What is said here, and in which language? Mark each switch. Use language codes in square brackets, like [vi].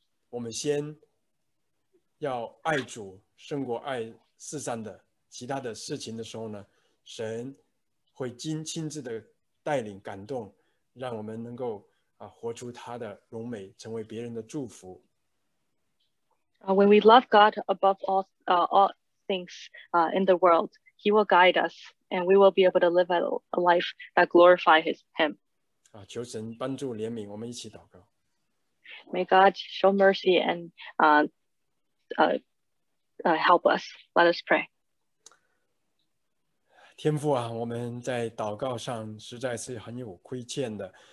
[zh] 我们先要爱主胜过爱世上的其他的事情的时候呢，神会亲自的带领感动，让我们能够活出他的荣美，成为别人的祝福。 [en] When we love God above all things in the world, He will guide us, and we will be able to live a life that glorifies Him. [zh] 求神帮助怜悯，我们一起祷告。 [en] May God show mercy and help us. Let us pray. [zh] 天父啊，我们在祷告上实在是很有亏欠的。